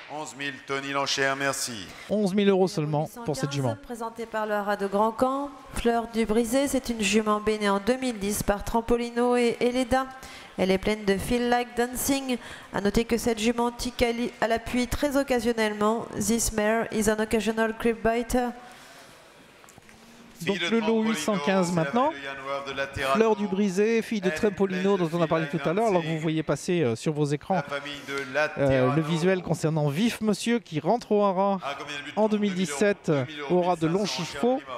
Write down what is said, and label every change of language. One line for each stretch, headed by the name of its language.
French: 11 11 000, Tony l'enchère, merci. 11 000 euros seulement pour cette jument. Présentée par le haras de Grand Camp, Fleur du Brisé, c'est une jument bénée en 2010 par Trampolino et Eleda. Elle est pleine de feel like dancing. A noter que cette jument tique à l'appui très occasionnellement.
English: This mare is an occasional creep biter.
French: Donc le lot 815 maintenant, Fleur du Brisé, fille de Trampolino dont on a parlé tout à l'heure, alors que vous voyez passer sur vos écrans le visuel concernant Vif Monsieur qui rentre au haras en 2017 au haras de longs chiffons.